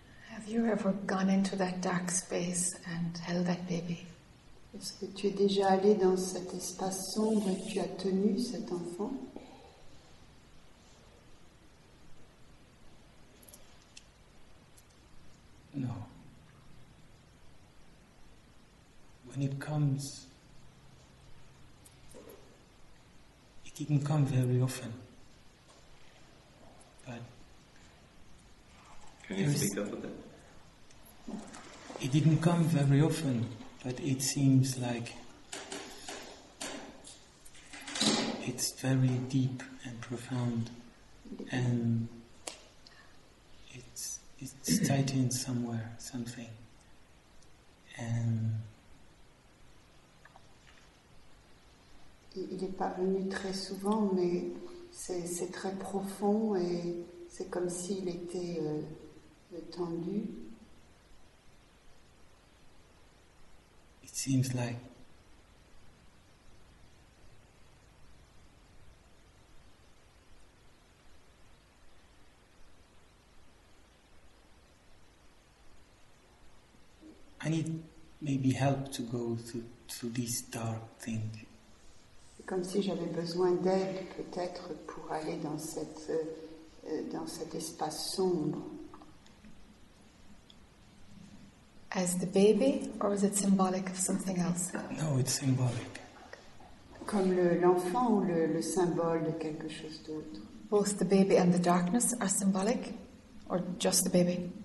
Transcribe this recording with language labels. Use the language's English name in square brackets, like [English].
[English] Have you ever gone into that dark space and held that baby? [French] Est-ce que tu es déjà allé dans cet espace sombre et tu as tenu cet enfant? [English] No. When it comes, it didn't come very often. But can you speak up with it? It didn't come very often, but it seems like it's very deep and profound, and it's tightened somewhere, something, and [French] il n'est pas venu très souvent, mais c'est très profond et c'est comme s'il était tendu. [English] It seems like I need maybe help to go to this dark thing. [French] Comme si j'avais besoin d'aide peut-être pour aller dans cet espace sombre. [English] As the baby, or is it symbolic of something else? No, it's symbolic. [French] Comme l'enfant ou le symbole de quelque chose d'autre. [English] Both the baby and the darkness are symbolic, or just the baby?